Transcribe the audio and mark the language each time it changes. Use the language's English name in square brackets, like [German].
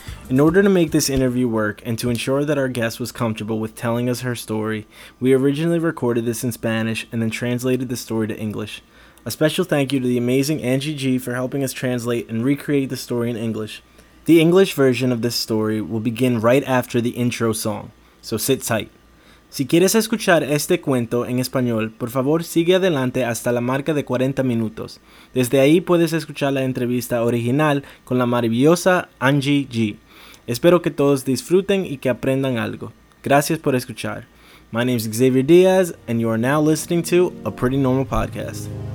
[English] In order to make this interview work and to ensure that our guest was comfortable with telling us her story, we originally recorded this in Spanish and then translated the story to English. A special thank you to the amazing Angie G for helping us translate and recreate the story in English. The English version of this story will begin right after the intro song, so sit tight. [Spanish] Si quieres escuchar este cuento en español, por favor sigue adelante hasta la marca de 40 minutos. Desde ahí puedes escuchar la entrevista original con la maravillosa Angie G. Espero que todos disfruten y que aprendan algo. Gracias por escuchar. [English] My name is Xavier Diaz, and you are now listening to A Pretty Normal Podcast.